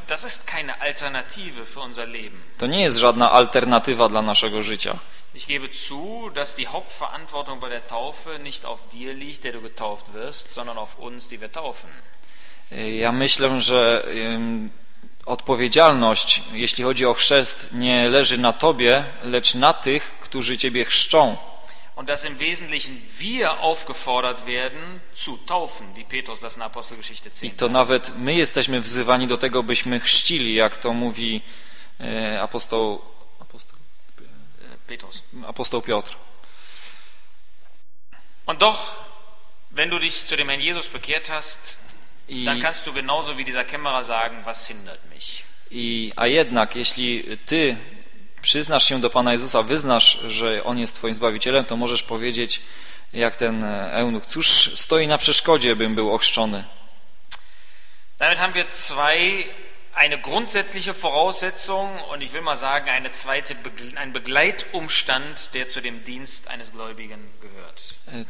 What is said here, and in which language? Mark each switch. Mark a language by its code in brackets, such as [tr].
[de] Das ist keine Alternative für unser Leben. [pl] To nie jest żadna alternatywa dla naszego życia. [de] Ich gebe zu, dass die Hauptverantwortung bei der Taufe nicht auf dir liegt, der du getauft wirst, sondern auf uns, die wir taufen. [pl] Ja myślę, że odpowiedzialność, jeśli chodzi o chrzest, nie leży na tobie, lecz na tych, którzy ciebie chrzczą. [de] Und dass im Wesentlichen wir aufgefordert werden zu taufen, wie Petrus das in Apostelgeschichte 10. [pl] I to nawet my jesteśmy wzywani do tego, byśmy chrzcili, jak to mówi apostoł Piotr. [de] Und doch, wenn du dich zu dem Herrn Jesus bekehrt hast, dann kannst du genauso wie dieser Kämmerer sagen, was hindert mich. [pl] A jednak, jeśli ty przyznasz się do Pana Jezusa, wyznasz, że On jest Twoim Zbawicielem, to możesz powiedzieć, jak ten eunuch, cóż stoi na przeszkodzie, bym był ochrzczony. [de] Damit haben wir zwei, eine grundsätzliche Voraussetzung und ich will mal sagen, eine zweite, ein Begleitumstand, der zu dem Dienst eines Gläubigen gehört.